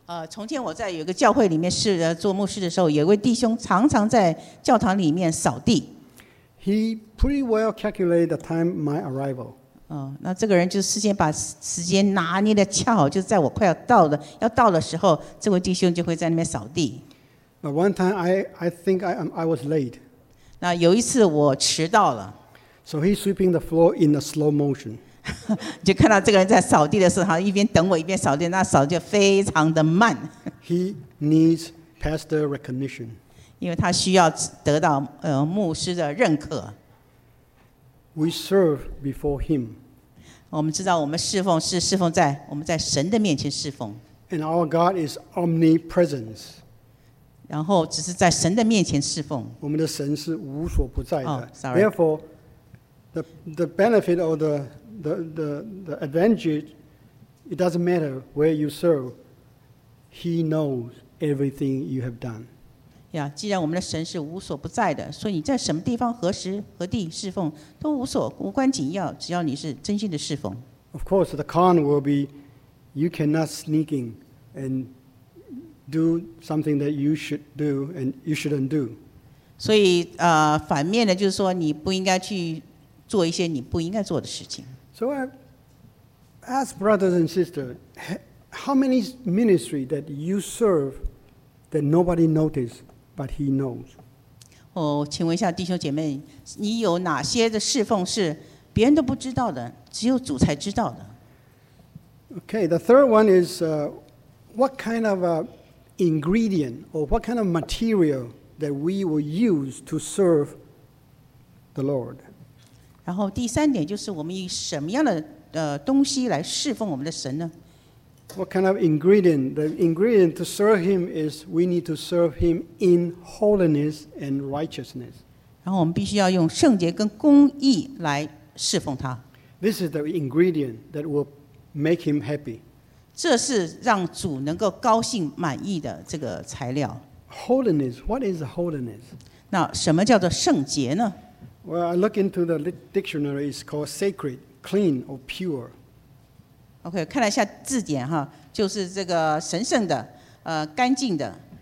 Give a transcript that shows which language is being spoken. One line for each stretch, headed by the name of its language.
Chinese: 从前我在有个教会里面是做牧师的时候，有位弟兄常常在教堂里面扫地。
English: He pretty well calculated the time my arrival.
Chinese: 那这个人就事先把时间拿捏的恰好，就在我快要到的要到的时候，这位弟兄就会在那边扫地。
English: But one time I think I was late.
Chinese: 那有一次我迟到了。
English: So he's sweeping the floor in a slow motion.
Chinese: 就看到这个人在扫地的时候，一边等我一边扫地，那扫就非常的慢。
English: He needs pastor recognition.
Chinese: 因为他需要得到牧师的认可。
English: We serve before Him.
Chinese: 我们知道我们侍奉是侍奉在我们在神的面前侍奉。
English: And our God is omnipresence.
Chinese: 然后只是在神的面前侍奉。我们的神是无所不在的。
English: Sorry. Therefore, the benefit or the advantage, it doesn't matter where you serve. He knows everything you have done. Yeah,
Chinese: 既然我们的神是无所不在的，所以你在什么地方、何时、何地侍奉都无关紧要，只要你是真心的侍奉。
English: Of course, the con will be you cannot sneak in and do something that you should do and you shouldn't do.
Chinese: 所以反面的就是说你不应该去做一些你不应该做的事情。
English: So I ask brothers and sisters, How many ministry that you serve that nobody notice but he knows?
Chinese: 哦，请问一下弟兄姐妹，你有哪些的侍奉是别人都不知道的，只有主才知道的？
English: Okay, the third one is what kind of a ingredient or what kind of material that we will use to serve the Lord?
Chinese: 然后第三点就是我们以什么样的东西来侍奉我们的神呢？
English: What kind of ingredient? The ingredient to serve him is we need to serve him in holiness and righteousness.
Chinese: 然后我们必须要用圣洁跟公义来侍奉他。
English: This is the ingredient that will make him happy.
Chinese: 这是让主能够高兴满意的这个材料。
English: Holiness, what is holiness?
Chinese: 那什么叫做圣洁呢？
English: Well, I look into the dictionary, it's called sacred, clean or pure. OK,
Chinese: 看了一下字典哈，就是这个神圣的，干净的，